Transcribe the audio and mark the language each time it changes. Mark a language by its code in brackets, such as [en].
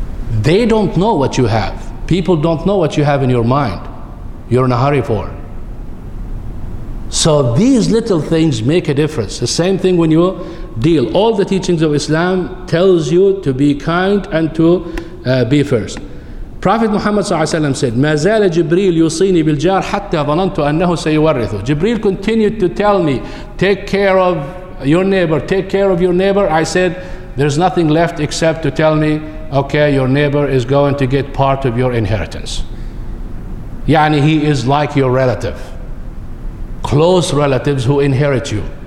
[en] They don't know what you have. People don't know what you have in your mind. You're in a hurry for. So these little things make a difference. The same thing when you deal. All the teachings of Islam tells you to be kind and to be first. Prophet Muhammad ﷺ said, [ar] مَا زَالَ جِبْرِيلُ يُصِينِ بِالْجَارِ حَتَّى ظَنَنْتُ أَنَّهُ سَيُوَرِّثُ. [en] Jibreel continued to tell me, take care of your neighbor, take care of your neighbor. I said, there's nothing left except to tell me, okay, your neighbor is going to get part of your inheritance. Yani he is like your relative. Close relatives who inherit you.